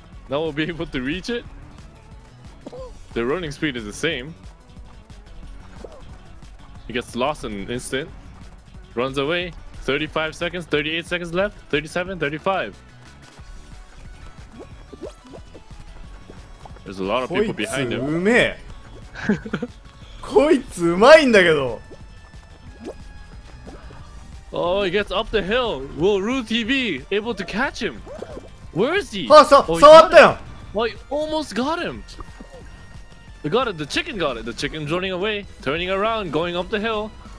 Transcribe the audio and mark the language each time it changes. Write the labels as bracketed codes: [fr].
[en] Now we'll be able to reach it. The running speed is the same. He gets lost in an instant. Runs away. 35 seconds, 38 seconds left. 37, 35. There's a lot of people behind him. [ja] こいつうめえ。こいつうまいんだけど。 [en] Oh, he gets up the hill. Will Ru TV able to catch him? Where is he? あ、さ、 oh, [ja] 触ったよ。 [en] Well, almost got him. We got it, the chicken got it. The chicken's running away, turning around, going up the hill.